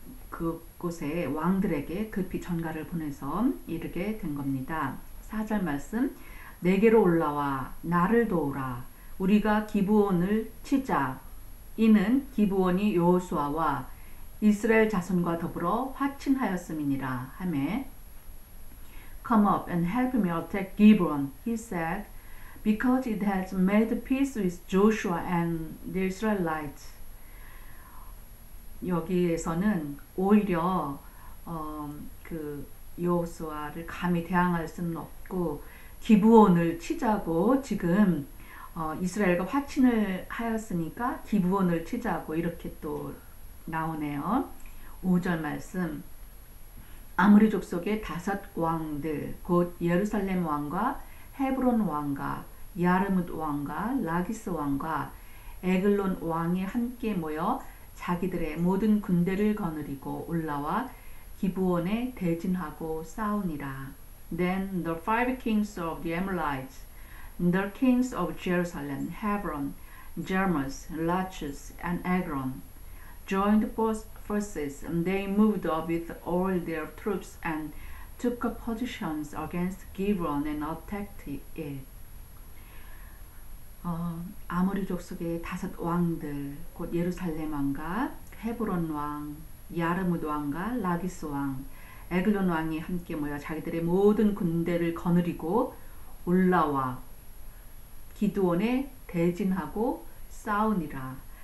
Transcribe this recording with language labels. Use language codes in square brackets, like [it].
[ko] 그곳에 왕들에게 급히 전갈을 보내서 이르게 된 겁니다. 4절 말씀, 내게로 올라와 나를 도우라. 우리가 기브온을 치자. 이는 기브온이 여호수아와 이스라엘 자손과 더불어 화친하였음이니라 하매. [en] Come up and help me attack Gibeon, he said, because it has made peace with Joshua and the Israelites. [ko] 여기에서는 오히려 그 여호수아를 감히 대항할 수는 없고 기브온을 치자고 지금 이스라엘과 화친을 하였으니까 기브온을 치자고 이렇게 또 나오네요. 5절 말씀 아므리 족속의 다섯 왕들 곧 예루살렘 왕과 헤브론 왕과 야르뭇 왕과 라기스 왕과 에글론 왕이 함께 모여 자기들의 모든 군대를 거느리고 올라와 기브온에 대진하고 싸우니라. [en] Then the five kings of the Amorites The kings of Jerusalem, Hebron, Jeremus, Lachis, and Eglon, joined forces, and they moved up with all their troops and took up positions against Gibeon and attacked it. [ko] 아모리 족속의 다섯 왕들, 곧 예루살렘 왕과 헤브론 왕, 야르뭇 왕과 라기스 왕, 에글론 왕이 함께 모여 자기들의 모든 군대를 거느리고 올라와 기드온에 대진하고 싸우니라.